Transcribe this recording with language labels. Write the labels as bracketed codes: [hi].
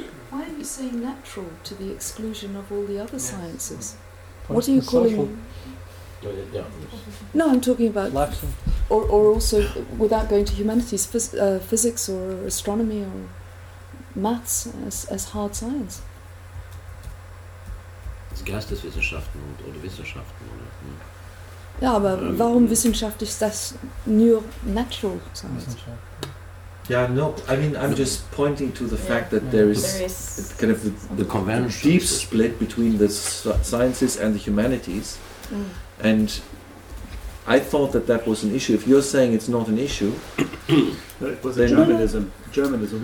[en] Why are you saying natural to the exclusion of all the other sciences? What are you calling them? No, I'm talking about or also without going to humanities, physics or astronomy or maths as hard science. [de] Geisteswissenschaften oder Wissenschaften, oder? Ja, aber warum Wissenschaft ist das nur [en] natural science? Yeah, no, I mean, I'm just pointing to the fact that there is kind of the convention, deep split between the sciences and the humanities. And I thought that that was an issue. If you're saying it's not an issue, it was a Germanism. Germanism.